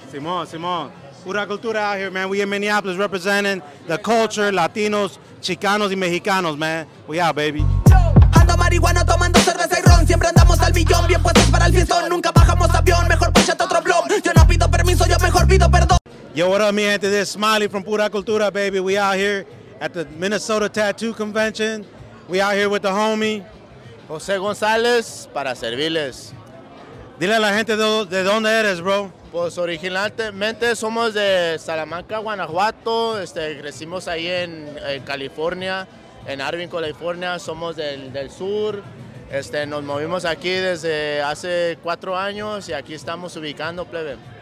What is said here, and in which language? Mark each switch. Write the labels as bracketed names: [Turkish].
[English] Simón. Pura Cultura out here, man. We in Minneapolis representing the culture, Latinos, Chicanos y Mexicanos, man. We out, baby. [Spanish] Ando marihuana tomando cerveza y ron. Siempre andamos al millón, bien puestos para el fiestón. Nunca bajamos avión, mejor púchate otro blog. Yo no pido permiso, yo mejor pido perdón. [English] Yo, what up, [Spanish] mi gente? [English] This is Smiley from Pura Cultura, baby. We out here at the Minnesota Tattoo Convention. We out here with the homie. [Spanish] Jose Gonzalez, para servirles. Dile a la gente de dónde eres, bro. Pues originalmente somos de Salamanca, Guanajuato. Crecimos ahí en California, en Arvin, California. Somos del sur. Nos movimos aquí desde hace 4 años y aquí estamos ubicando, plebe.